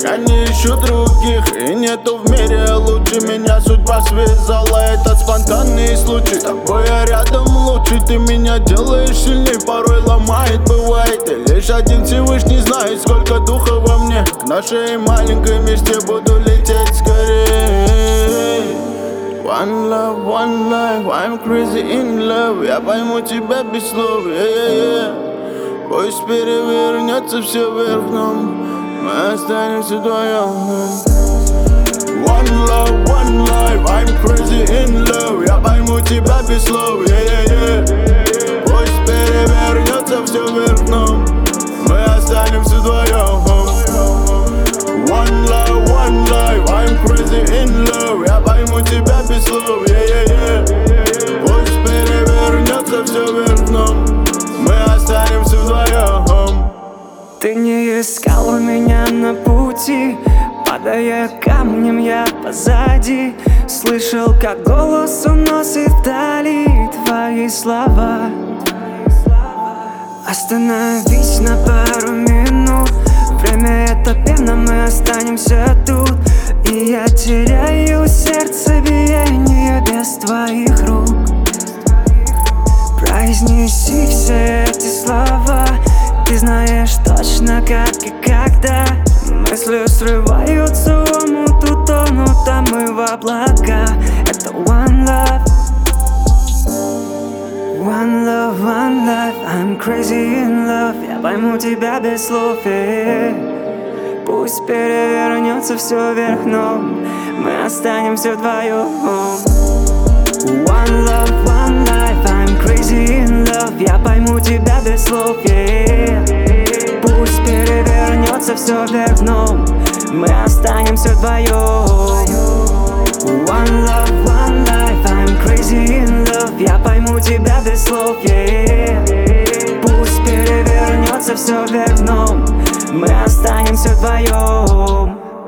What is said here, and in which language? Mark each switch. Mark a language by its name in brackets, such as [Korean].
[Russian] Я не ищу других, и нету в мире лучше. Меня судьба связала, это спонтанный случай. С тобой я рядом лучше, ты меня делаешь сильней. Порой ломает, бывает, и лишь один Всевышний знает, сколько духа во мне. К нашей маленькой мечте буду лететь скорее. [English] One love, one life, I'm crazy in love. [Russian] Я пойму тебя без слов, yeah. Пусть перевернется все вверх дном, мы останемся вдвоем. [English] One love, one life, I'm crazy in love. [Russian] Я пойму тебя без слов, yeah. Пусть перевернется все вверх дном, мы останемся вдвоем. [English] One love, one life, I'm crazy in love. [Russian] Я пойму тебя без слов, yeah. Пусть перевернется все вверх дном, мы останемся вдвоем. Ты не искал меня на пути, падая камнем я позади. Слышал, как голос уносит вдали твои слова. Остановись на пару минут. Время это пена, мы останемся тут. И я теряю сердцебиение без твоих рук. Произнеси все эти слова. Ты знаешь точно, как и когда. Мысли срываются в омут, утонут, а мы в облака. [English] Это one love. One love, one life, I'm crazy in love. [Russian] Я пойму тебя без слов, пусть перевернется все вверх дном, мы останемся вдвоем. [English] One love, one life, I'm crazy in love. [Russian] Я пойму тебя без слов, пусть перевернется все вверх дном, мы останемся вдвоем. [English] One love, one life, I'm crazy in love. [Russian] Я пойму тебя без слов, пусть перевернется все вверх дном, мы останемся вдвоем.